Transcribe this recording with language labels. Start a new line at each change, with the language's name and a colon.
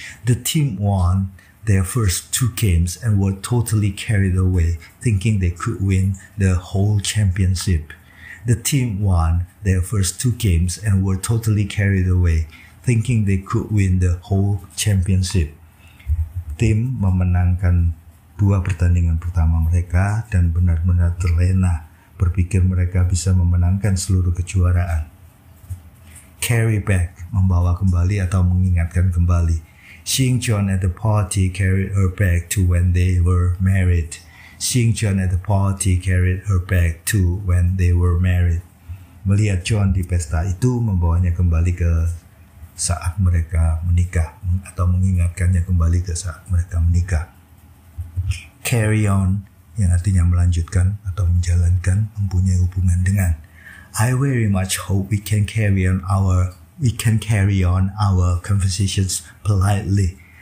English: The team won their first two games and were totally carried away, thinking they could win the whole championship. The team won their first two games and were totally carried away, thinking they could win the whole championship.
Indonesian: Tim memenangkan dua pertandingan pertama mereka dan benar-benar terlena, berpikir mereka bisa memenangkan seluruh kejuaraan. Carry back, membawa kembali atau mengingatkan kembali.
English: Seeing John at the party carried her back to when they were married. Seeing John at the party carried her back to when they were married.
Indonesian: Melihat John di pesta itu membawanya kembali ke saat mereka menikah atau mengingatkannya kembali ke saat mereka menikah. Carry on, yang artinya melanjutkan atau menjalankan, mempunyai hubungan dengan.
English: I very much hope we can carry on our conversations politely.